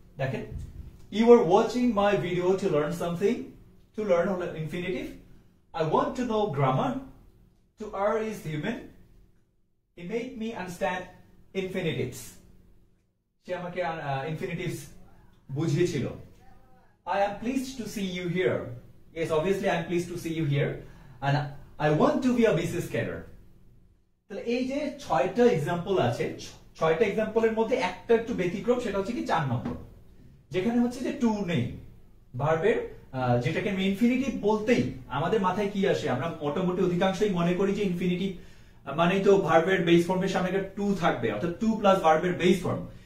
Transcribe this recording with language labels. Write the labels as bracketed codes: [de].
[en] দেখেন, you are watching my video to learn something, to learn infinitive, I want to know grammar, to err is human, it make me understand infinitive. [bn] সে আমাকে infinitive বুঝিয়েছিল। [en] I am pleased to see you here. Yes, obviously I am pleased to see you here. And I want to be a busy scatter. [bn] তাহলে এই যে ছয়টা example আছে, ছয়টা এক্সাম্পলের মধ্যে একটা একটু ব্যতিক্রম, সেটা হচ্ছে কি চার নম্বর, যেখানে হচ্ছে যে টু নেই ভার্বের, যেটাকে আমি ইনফিনিটিভ বলতেই আমাদের মাথায় কি আসে, আমরা মোটামুটি অধিকাংশই মনে করি যে ইনফিনিটিভ মানেই তো ভার্বের বেস ফর্মের সামনে টু থাকবে, অর্থাৎ টু প্লাস ভার্বের বেস ফর্ম।